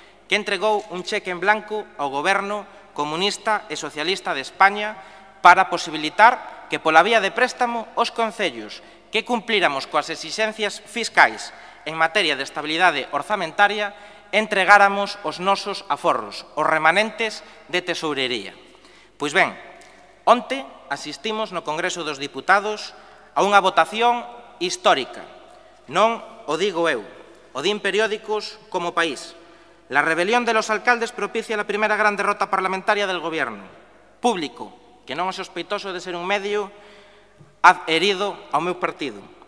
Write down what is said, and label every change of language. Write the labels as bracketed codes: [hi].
[gl] que entregou un cheque en blanco ao goberno comunista e socialista de España para posibilitar que pola vía de préstamo os concellos que cumpliramos coas exixencias fiscais en materia de estabilidade orzamentaria entregáramos os nosos aforros, os remanentes de tesourería. Pois ben, onte asistimos no Congreso dos Diputados a unha votación histórica. Non o digo eu, o din periódicos como país. [es] La rebelión de los alcaldes propicia la primera gran derrota parlamentaria del gobierno. [gl] Público, que non é sospeitoso de ser un medio, ha herido ao meu partido.